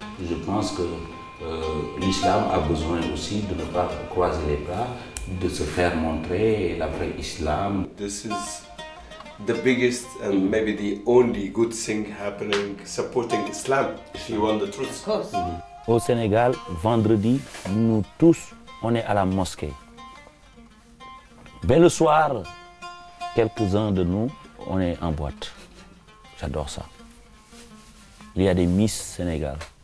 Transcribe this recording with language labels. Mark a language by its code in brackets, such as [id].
[fr] Je pense que l'Islam a besoin aussi de ne pas croiser les bras, de se faire montrer la vraie Islam. [en] This is the biggest and maybe the only good thing happening supporting Islam, if you want the truth. Of course. Mm-hmm. [fr] Au Sénégal, vendredi, nous tous, on est à la mosquée. Ben le soir, quelques-uns de nous, on est en boîte. J'adore ça. Il y a des Miss Sénégal.